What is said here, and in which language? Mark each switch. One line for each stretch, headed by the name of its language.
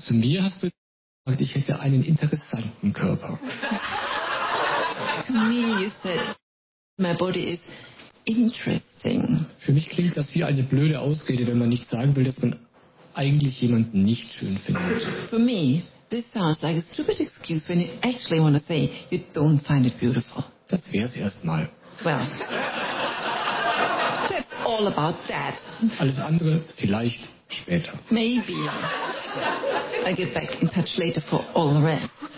German: Zu mir hast du gesagt, ich hätte einen interessanten Körper.
English: To me you said my body is interesting.
German: Für mich klingt das wie eine blöde Ausrede, wenn man nicht sagen will, dass man eigentlich jemanden nicht schön findet.
English: For me this sounds like a stupid excuse when you actually want to say you don't find it beautiful.
German: Das wär's erstmal.
English: Well, that's all about that.
German: Alles andere vielleicht später.
English: Maybe. I get back in touch later for all the rest.